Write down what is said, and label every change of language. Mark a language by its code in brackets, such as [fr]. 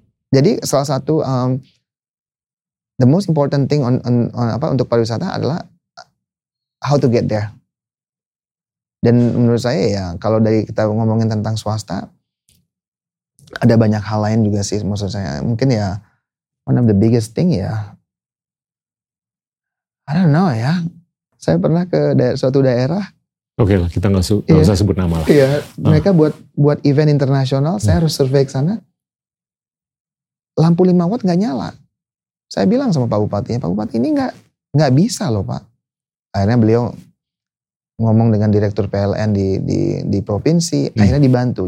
[id] Jadi salah satu [en] the most important thing [id] untuk pariwisata adalah [en] how to get there. [id] Dan menurut saya ya, kalau dari kita ngomongin tentang swasta, ada banyak hal lain juga sih, maksud saya. Mungkin ya, [en] one of the biggest thing ya, I don't know ya. [id] Saya pernah ke suatu daerah. Oke lah, kita gak usah sebut nama lah. Iya, mereka buat event internasional, saya harus survei ke sana. Lampu 5 watt gak nyala. Saya bilang sama Pak Bupati, Pak Bupati ini gak bisa loh Pak. Akhirnya beliau ngomong dengan direktur PLN di provinsi, akhirnya dibantu.